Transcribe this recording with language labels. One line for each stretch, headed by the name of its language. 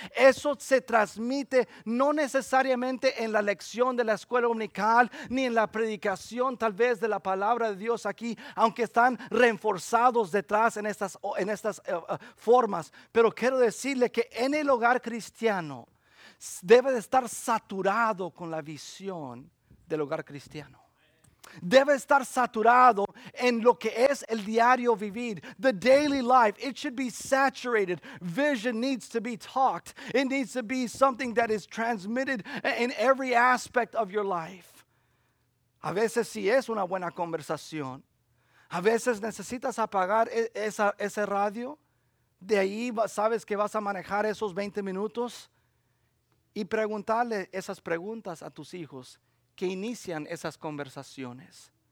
Spanish: Eso se transmite no necesariamente en la lección de la escuela dominical ni en la predicación tal vez de la palabra de Dios aquí, aunque están reforzados detrás en estas formas, pero quiero decirle que en el hogar cristiano debe de estar saturado con la visión del hogar cristiano. Debe estar saturado en lo que es el diario vivir,
English: the daily life. It should be saturated. Vision needs to be talked. It needs to be something that is transmitted in every aspect of your life.
Spanish: A veces sí es una buena conversación. A veces necesitas apagar ese radio. De ahí sabes que vas a manejar esos 20 minutos y preguntarle esas preguntas a tus hijos que inician esas conversaciones.